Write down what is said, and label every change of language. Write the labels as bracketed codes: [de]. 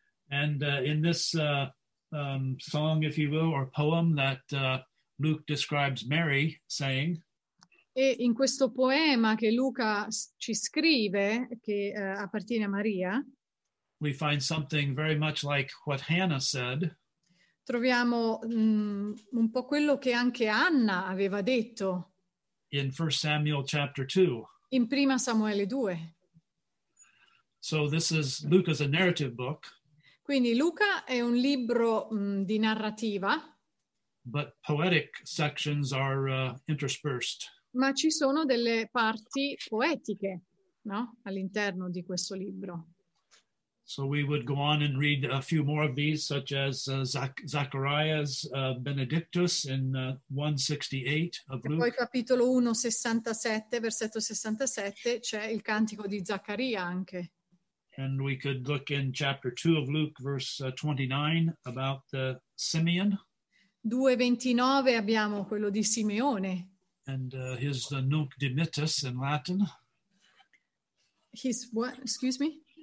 [en] And in this song, if you will, or poem that Luke describes Mary saying. [it] E in questo poema che Luca ci scrive, che appartiene a Maria, [en] we find something very much like what Hannah said. [it] Troviamo un po' quello che anche Anna aveva detto. [en] In 1 Samuel chapter 2. [it] In 1 Samuele 2. [en] So this is Luca's a narrative book. [it] Quindi Luca è un libro di narrativa. [en] But poetic sections are interspersed. [it] Ma ci sono delle parti poetiche, no? All'interno di questo libro. [en] So we would go on and read a few more of these, such as Zachariah's Benedictus in 1:68 of Luke. [it] E poi capitolo 1:67, versetto 67, c'è il cantico di Zaccaria anche. [en] And we could look in chapter 2 of Luke, verse 29, about Simeon. [it] 2:29 abbiamo quello di Simeone. [en] And his Nunc Dimittis in Latin. His what? Excuse me?